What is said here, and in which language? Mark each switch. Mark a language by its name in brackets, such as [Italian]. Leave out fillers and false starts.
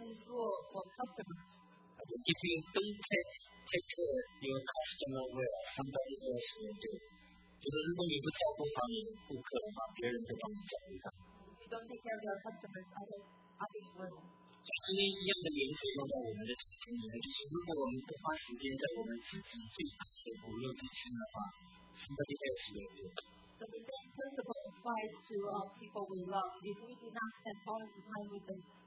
[English] If you don't take care of your customer well, somebody else will do. [Chinese] 就是如果你不照顾好你的顾客的话，别人会帮你照顾他。 [English] You don't take care of your customers, others will. [Chinese] 所以这边一样的原则用在我们的产品里面，就是如果我们不花时间在我们自己最好的五六之间的话 ， [English] somebody else will do. So the same principle applies to our people we love. If we do not spend all the time with them.